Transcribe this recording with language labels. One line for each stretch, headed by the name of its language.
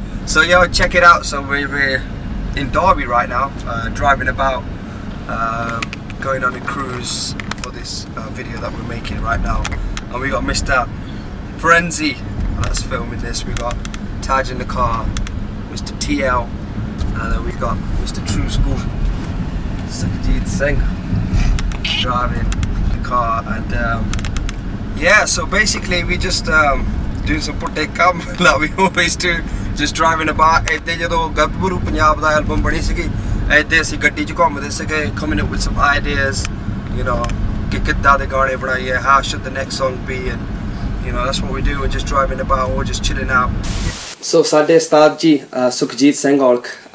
English: So yo, check it out. So we're in Derby right now, driving about, going on a cruise for this video that we're making right now. And we got Mr. Frenzy that's filming this. We got Taj in the car, Mr. TL, and then we got Mr. Tru Skool, Sukhjeet Singh, driving the car. And yeah, so basically we just doing some
Punjabi: putte kam
English: that we always do. Just driving about.
Punjabi: ਇੱਥੇ ਜਦੋਂ ਗੱਭਰੂ ਪੰਜਾਬ ਦਾ album ਬਣੀ ਸੀਗੀ ਇੱਥੇ ਅਸੀਂ ਗੱਡੀ 'ਚ ਘੁੰਮਦੇ ਸੀਗੇ
English: coming with some ideas you know
Punjabi: ਕਿ ਕਿੱਦਾਂ ਦੇ ਗਾਣੇ ਬਣਾਈਏ
English: how should the next song be and you know that's what we do just driving about or just chilling out so
Punjabi: ਸਾਡੇ ਉਸਤਾਦ ਜੀ
English: Sukhjit Singh Aulakh